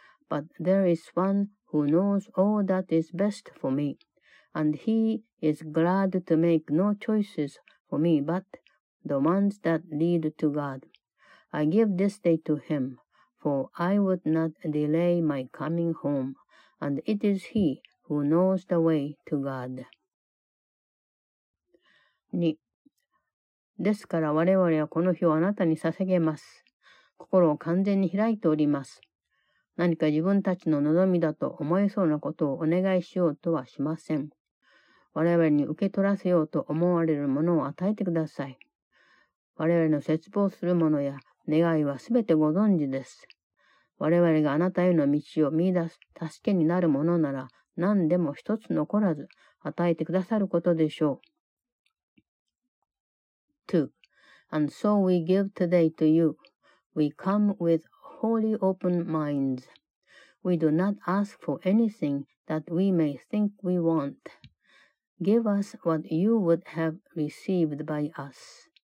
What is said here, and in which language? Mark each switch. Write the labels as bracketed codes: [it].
[en] But there is one who knows all that is best for me, and he is glad to make no choices for me but the ones that lead to God. I give this day to him, for I would not delay my coming home, and it is he who knows the way to God. 2. [ja] ですから我々はこの日をあなたに捧げます。心を完全に開いております。何か自分たちの望みだと思えそうなことをお願いしようとはしません。我々に受け取らせようと思われるものを与えてください。我々の切望するものや願いはすべてご存知です。我々があなたへの道を見出す助けになるものなら何でも一つ残らず与えてくださることでしょう。 2. [en] And so we give today to you. We come with wholly open minds. We do not ask for anything that we may think we want. Give us what you would have received by us.